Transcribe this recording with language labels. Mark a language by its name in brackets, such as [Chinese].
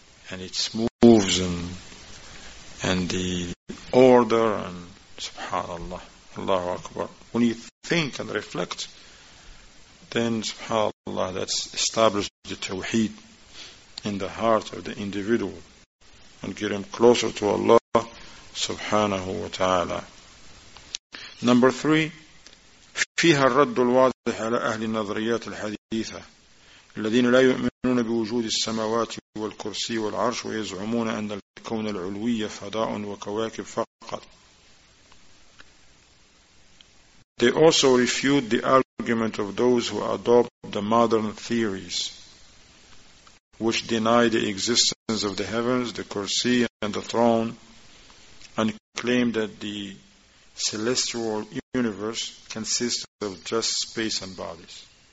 [English] And it moves and the order and subhanAllah. Allahu Akbar. When you think and reflect, then subhanAllah, that's established the tawheed in the heart of the individual and get him closer to Allah subhanahu wa ta'ala. Number three, [Arabic] فيها الرد الواضح على أهل النظريات الحديثة الذين لا يؤمنون بوجود السماوات والكرسي والعرش ويزعمون أن الكون العلوي فضاء وكواكب فقط. [English] They also refute the argument of those who adopt the modern theories which deny the existence of the heavens, the kursi, and the throne, and claim that the celestial universe consists of just space and bodies.